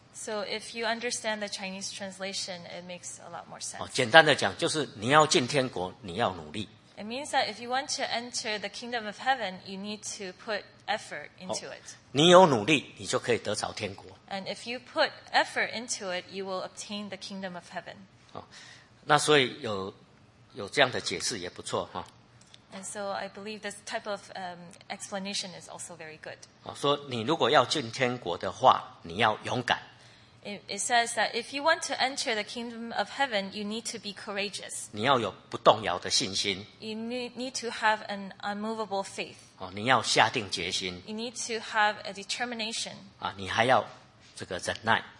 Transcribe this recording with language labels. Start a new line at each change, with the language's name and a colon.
English: So if you understand the Chinese translation, it makes a lot more sense.
Chinese: 简单的讲，就是你要进天国，你要努力。
English: It means that if you want to enter the kingdom of heaven, you need to put effort into it.
Chinese: 你有努力，你就可以得着天国。
English: And if you put effort into it, you will obtain the kingdom of heaven.
Chinese: 那所以有这样的解释也不错哈。
English: And so I believe this type of explanation is also very good.
Chinese: 说你如果要进天国的话，你要勇敢。
English: It says that if you want to enter the kingdom of heaven, you need to be courageous.
Chinese: 你要有不动摇的信心。
English: You need to have an unmovable faith.
Chinese: 你要下定决心。
English: You need to have a determination.
Chinese: 你还要这个忍耐。